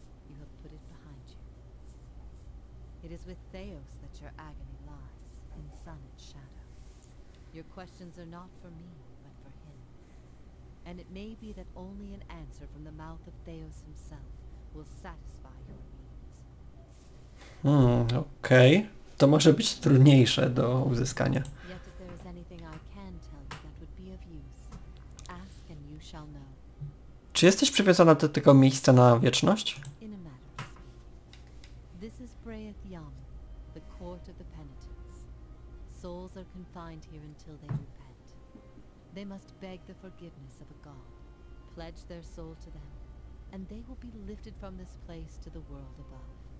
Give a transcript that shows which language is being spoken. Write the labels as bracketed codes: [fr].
[en] You have put it behind you. It is with Theos that your agony lies. In sun and shadow. Your questions are not for me, but for him. And it may be that only an answer from the mouth of Theos himself will satisfy your needs. [pl] Okej. [en] Okay. [pl] To może być trudniejsze do uzyskania. [en] Yet if there is anything I can tell you that would be of use, ask and you shall know. [pl] Czy jesteś przywiązana do tego miejsca na wieczność? [en] In a matter of speech. This is Braeth Yam, the court of the penitent. Souls are confined here until they repent. They must beg the forgiveness of a god, pledge their soul to them, and they will be lifted from this place to the world above.